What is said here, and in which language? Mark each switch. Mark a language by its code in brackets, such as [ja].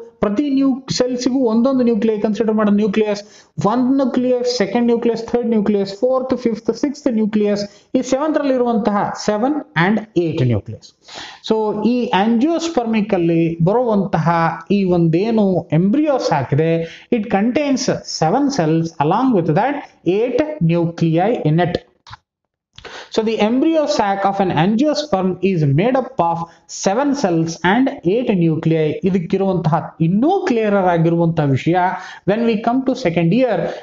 [kn] ಪ್ರತಿ ಸೆಲ್ಸ್ಗೂ ಒಂದೊಂದು nuclei consider ಮಾಡೋ. Nucleus 1, nucleus second, nucleus third, nucleus fourth, fifth, sixth nucleus, ಈ ಸೆವೆಂತ್ ರಲ್ಲಿ ಇರುವಂತಹ 7 ಅಂಡ್ 8 ನ್ಯೂಕ್ಲಿಯಸ್. ಸೊ ಈ ಆಂಜಿಯೋಸ್ಪರ್ಮಿಕ್ ಅಲ್ಲಿ ಬರುವಂತಹ ಈ ಒಂದೇನು ಎಂಬ್ರಿಯೋಸ್ ಆಗಿದೆ, [en] It contains 7 cells along with that 8 nuclei in it. So the embryo sac of an angiosperm is made up of 7 cells and 8 nuclei. [kn] ಇದಕ್ಕಿರುವಂತಹ ಇನ್ನೂ ಕ್ಲಿಯರರ್ ಆಗಿರುವಂತಹ ವಿಷಯ [en] When we come to second year.